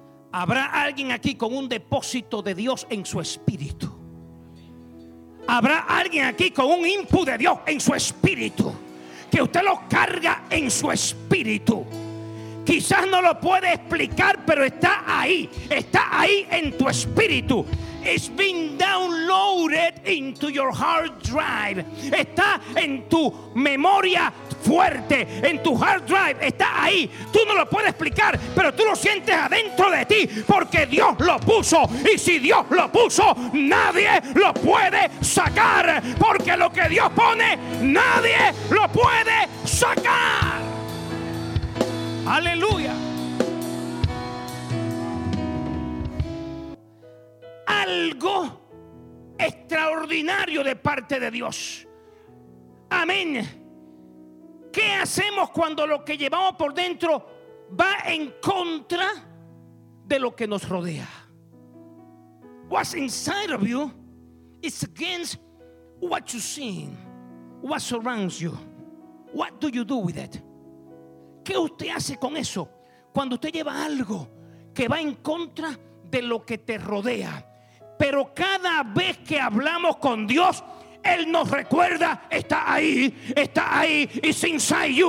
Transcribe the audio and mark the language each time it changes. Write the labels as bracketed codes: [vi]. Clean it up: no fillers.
[es] Habrá alguien aquí con un depósito de Dios en su espíritu. Habrá alguien aquí con un input de Dios en su espíritu, que usted lo carga en su espíritu. Quizás no lo puede explicar, pero está ahí en tu espíritu. [en] It's been downloaded into your hard drive. [es] Está en tu memoria fuerte, en tu hard drive. Está ahí. Tú no lo puedes explicar, pero tú lo sientes adentro de ti, porque Dios lo puso. Y si Dios lo puso, nadie lo puede sacar, porque lo que Dios pone, nadie lo puede sacar. Aleluya. Algo extraordinario de parte de Dios. Amén. ¿Qué hacemos cuando lo que llevamos por dentro va en contra de lo que nos rodea? [en] What's inside of you is against what you see, what surrounds you. What do you do with it? [es] ¿Qué usted hace con eso cuando usted lleva algo que va en contra de lo que te rodea? Pero cada vez que hablamos con Dios, Él nos recuerda: está ahí, [en] it's inside you.